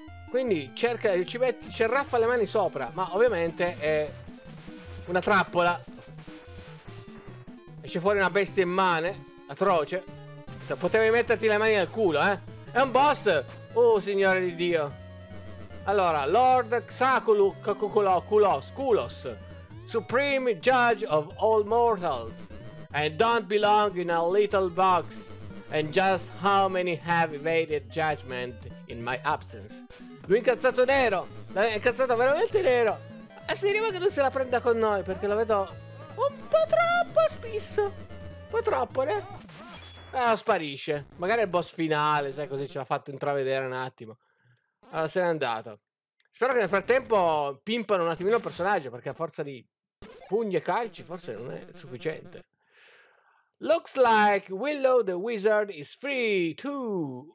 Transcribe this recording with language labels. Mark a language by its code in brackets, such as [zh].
[it] Quindi cerca, ci metti, ci arraffa le mani sopra, ma ovviamente è una trappola. Esce fuori una bestia immane, atroce. Potevi metterti le mani nel culo, eh? È un boss! Oh, signore di Dio! Allora, Lord Xaculus, Supreme Judge of All Mortals. [en] And don't belong in a little box. And just how many have evaded judgment in my absence? [it] Lui è incazzato nero! È incazzato veramente nero! E speriamo che non se la prenda con noi, perché lo vedo un po' troppo spesso. Un po' troppo, eh? Sparisce. Magari il boss finale, sai, così ce l'ha fatto intravedere un attimo. Allora, se n'è andato. Spero che nel frattempo pimpano un attimino il personaggio, perché a forza di pugni e calci forse non è sufficiente. [en] Looks like Willow the Wizard is free too.